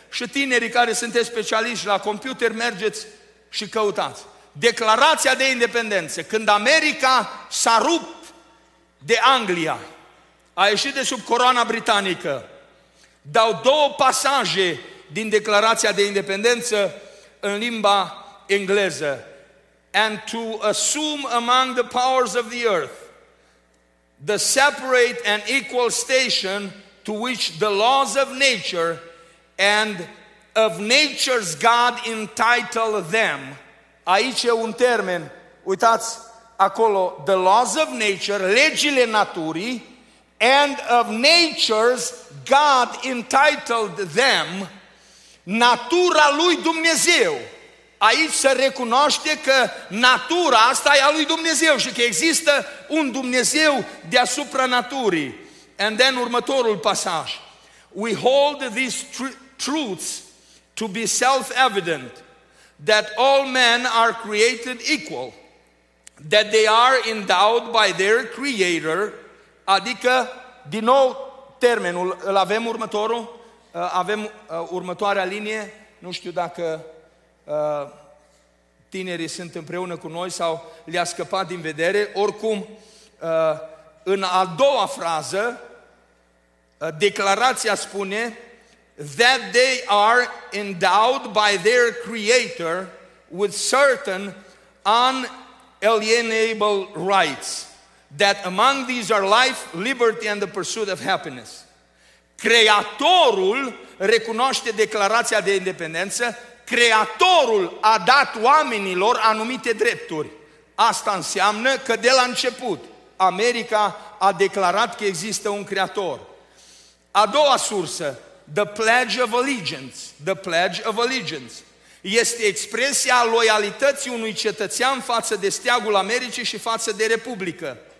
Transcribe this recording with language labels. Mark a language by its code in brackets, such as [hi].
[ro] Și tinerii care sunteți specialiști la computer, mergeți și căutați Declarația de Independență. Când America s-a rupt de Anglia, a ieșit de sub coroana britanică, dau două pasaje din Declarația de Independență în limba engleză. [en] And to assume among the powers of the earth the separate and equal station to which the laws of nature and of nature's God entitle them. [ro] Aici e un termen, uitați acolo, [en] the laws of nature, [ro] legile naturii, [en] and of nature's God entitled them, [ro] natura lui Dumnezeu. Aici se recunoaște că natura asta e a lui Dumnezeu și că există un Dumnezeu deasupra naturii. [en] And then [ro] următorul pasaj. [en] We hold these truths to be self-evident, that all men are created equal, that they are endowed by their creator. [ro] Adică, din nou termenul, îl avem următorul, avem următoarea linie, nu știu dacă tinerii sunt împreună cu noi sau le-a scăpat din vedere. Oricum, în a doua frază, declarația spune [en] that they are endowed by their creator with certain unalienable rights, that among these are life, liberty and the pursuit of happiness. [ro] Creatorul recunoaște declarația de independență. Creatorul a dat oamenilor anumite drepturi. Asta înseamnă că de la început America a declarat că există un creator. A doua sursă, [en] the pledge of allegiance, [ro] the pledge of allegiance, este expresia loialității unui cetățean față de steagul Americii și față de Republică.